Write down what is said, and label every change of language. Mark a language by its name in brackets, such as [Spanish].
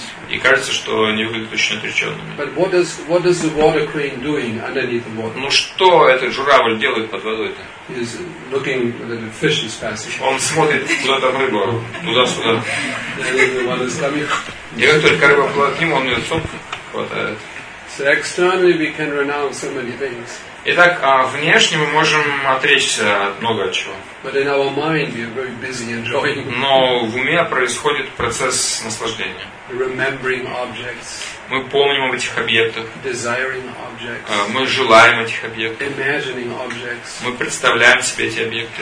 [Russian] И кажется, что они выглядят очень отреченными. [English] But what is the water crane doing underneath the water? [Russian] Ну что этот журавль делает под водой-то? [English] He's looking at the fish is passing. [Russian] Он смотрит, куда там рыба, туда-сюда. [English] And [Russian] как только рыба плывет к нему, он ее сок хватает. [English] So externally we can renounce so many things. [Russian] Итак, внешне мы можем отречься от много чего. [English] But in our mind we are very busy enjoying. [Russian] Но в уме происходит процесс наслаждения. [English] Remembering objects. [Russian] Мы помним об этих объектах. [English] Desiring objects. [Russian] Мы желаем этих объектов. [English] Imagining objects. [Russian] Мы представляем себе эти объекты.